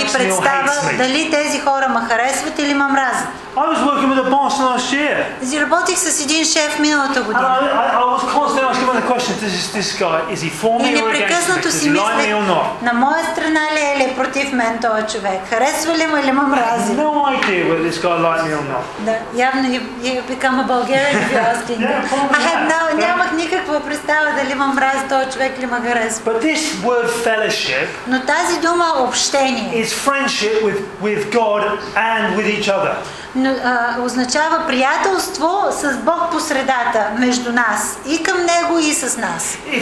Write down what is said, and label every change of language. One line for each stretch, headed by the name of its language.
Bulgarian: и представа дали тези хора ме харесват или ме мразят.
English: I was working with a boss last year.
Bulgarian: Работих с един шеф миналата година.
English: I was constantly asking him the question, this guy, is he for me or against me? Is he like me or not?
Bulgarian: На моя страна ли е или против мен този човек? Харесва ли ме или ме мрази?
English: No idea whether this guy liked me or not.
Bulgarian: Да, явно
English: you become a Bulgarian if you're asking.
Bulgarian: Нямах никаква представа дали ме мрази този човек или ме харесва.
English: But this word fellowship.
Bulgarian: Но тази дума общение.
English: Is friendship with God and with each other.
Bulgarian: Означава приятелство с Бог по средата между нас и към Него и с нас.